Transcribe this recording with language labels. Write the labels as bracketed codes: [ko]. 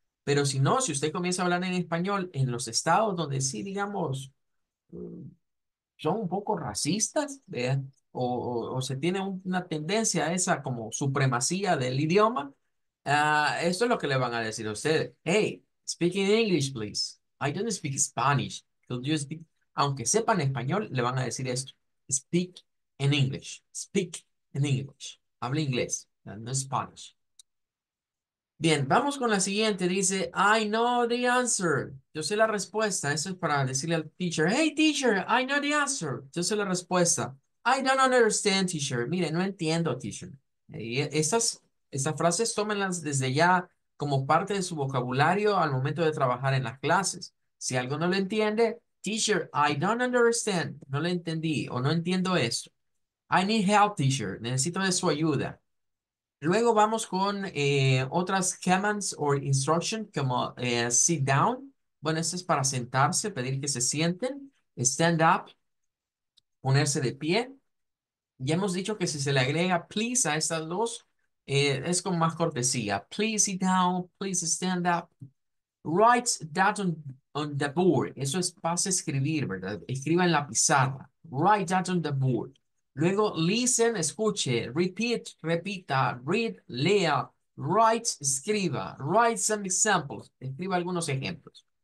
[es] Pero si no, si usted comienza a hablar en español en los estados donde sí, digamos, son un poco racistas, ¿vea? o se tiene una tendencia a esa como supremacía del idioma, esto es lo que le van a decir a ustedes. [en] Hey, speak in English, please. I don't speak Spanish. Could you speak? [es] Aunque sepan español, le van a decir esto. Speak in English. [en] Speak in English. Hable inglés, no Spanish. [es] Bien, vamos con la siguiente. Dice, I know the answer. Yo sé la respuesta. [en] Eso es para decirle al teacher, hey, teacher, I know the answer. [es] Yo sé la respuesta. [en] I don't understand, teacher. [es] Mire, no entiendo, teacher. Estas frases, tómenlas desde ya como parte de su vocabulario al momento de trabajar en las clases. Si algo no lo entiende, teacher, I don't understand. No lo entendí o no entiendo esto. I need help, teacher. Necesito de su ayuda. Luego vamos con otras commands or instructions como sit down. Bueno, esto es para sentarse, pedir que se sienten. Stand up, ponerse de pie. Ya hemos dicho que si se le agrega please a estas dos, es con más cortesía. [en] Please sit down, please stand up. Write that on the board. [es] Eso es pase escribir, ¿verdad? Escriba en la pizarra. Write that on the board. Luego, listen, escuche, repeat, repita, read, lea, write, escriba, write some examples, escriba algunos ejemplos.